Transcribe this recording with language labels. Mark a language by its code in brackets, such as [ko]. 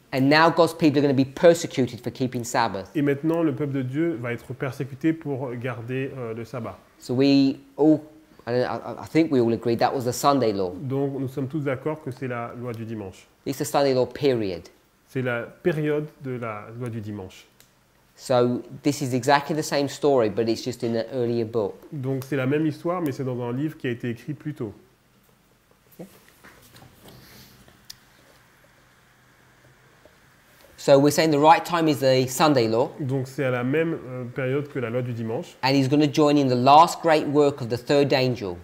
[en] And now God's people are going to be persecuted for keeping Sabbath. [fr] Et maintenant le peuple de Dieu va être persécuté pour garder le sabbat. [en] So we all. I think we all agree that was the Sunday law. [fr] Donc nous sommes tous d'accord que c'est la loi du dimanche. [en] It's the Sunday law period. [fr] C'est la période de la loi du dimanche. [en] So this is exactly the same story, but it's just in an earlier book. [fr] Donc c'est la même histoire, mais c'est dans un livre qui a été écrit plus tôt. [en] So we're saying the right time is the Sunday law. [fr] Donc c'est à la même période que la loi du dimanche. [en] And he's going to join in the last great work of the third angel.